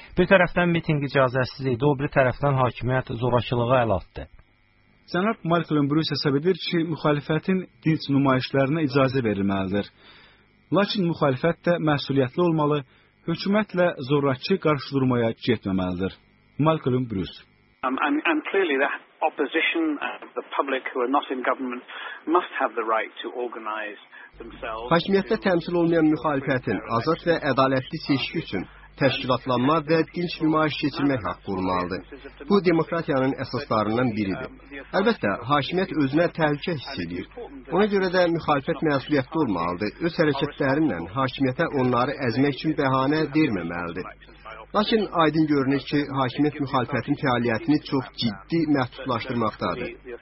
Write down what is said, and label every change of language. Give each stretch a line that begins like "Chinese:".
Azerbaijani: Bir tərəfdən miting icazəsiz idi, o bir tərəfdən hakimiyyət zorakılığa əl atdı. Cənab Malcolm Brüss hesab edir ki, müxalifətin dinç nümayişlərinə icazə verilməlidir. Lakin müxalifət də məsuliyyətli olmalı, hökumətlə zorakı qarşı durmaya getməməlidir. Malcolm Brüss.
English: And clearly that opposition and the public who are not in government must have the right to organize themselves.
Azerbaijani: Hakimiyyətdə təmsil olunan müxalifətin azad və ədalətli seçki üçün təşkilatlanma və dinç nümayiş keçirmək haqqı olmalıdır. Bu, demokratiyanın əsaslarından biridir. Əlbəttə, hakimiyyət özünə təhlükə hiss edir. Ona görə də müxalifət məsuliyyətli olmalıdır. Öz hərəkətlərinlə hakimiyyətə onları əzmək üçün bəhanə verməməlidir. Lakin aydın görünür ki, hakimiyyət müxalifətin fəaliyyətini çox ciddi məhdudlaşdırmaqdadır.